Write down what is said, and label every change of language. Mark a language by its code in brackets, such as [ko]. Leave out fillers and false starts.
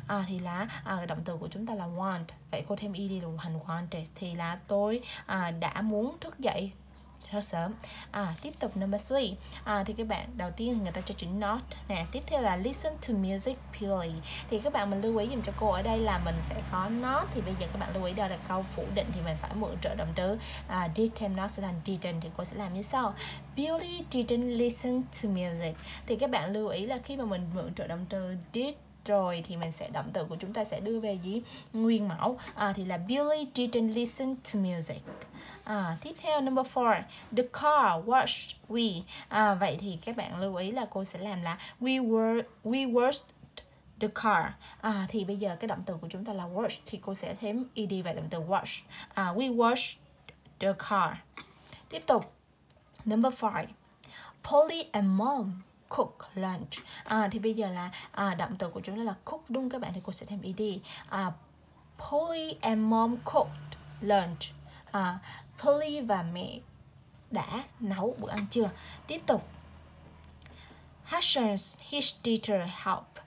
[vi] Thì là động từ của chúng ta là want. Vậy cô thêm ed là hành wanted, thì là tôi đã muốn thức dậy rất sớm. Tiếp tục number 3. Thì các bạn đầu tiên thì người ta cho chữ not nè. Tiếp theo là [en] listen to music purely. [vi] Thì các bạn mình lưu ý giùm cho cô ở đây là mình sẽ có not. Thì bây giờ các bạn lưu ý đây là câu phủ định thì mình phải mượn trợ động từ did thêm not sẽ thành didn't. Thì cô sẽ làm như sau. [en] Billy didn't listen to music. [vi] Thì các bạn lưu ý là khi mà mình mượn trợ động từ did rồi thì mình sẽ động từ của chúng ta sẽ đưa về gì nguyên mẫu. Thì là [en] Billy didn't listen to music. [vi] Tiếp theo [en] number 4, the car was we. [vi] Vậy thì các bạn lưu ý là cô sẽ làm là [en] we washed the car. [vi] Thì bây giờ cái động từ của chúng ta là wash thì cô sẽ thêm ed vào động từ wash. [en] We washed the car. [vi] Tiếp tục [en] number 5, Polly and mom cook lunch. [vi] Thì bây giờ là động từ của chúng ta là cook đúng các bạn, thì cô sẽ thêm ed. [en] Polly and mom cooked lunch. [vi] Polly và mẹ đã nấu bữa ăn trưa. Tiếp tục [en] Hashan's his teacher help.